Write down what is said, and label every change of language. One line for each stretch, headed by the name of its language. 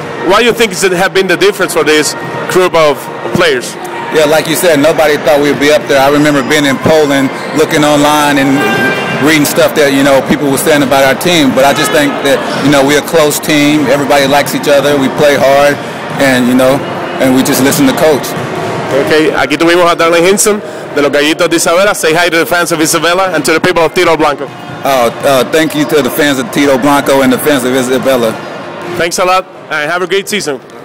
English: Why do you think it have been the difference for this group of players? Yeah, like you said, nobody thought we'd be up there. I remember being in Poland, looking online and reading stuff that, you know, people were saying about our team. But I just think that, you know, we're a close team. Everybody likes each other. We play hard, and, you know, and we just listen to coach.
Spanish: Okay, aquí tuvimos a Darnell Henson de los Gallitos de Isabela.
English: Say hi to the fans of Isabela and to the people of Tiro Blanco. Thank you to the fans of Tiro Blanco and the fans of Isabela. Thanks a lot, and have a great season.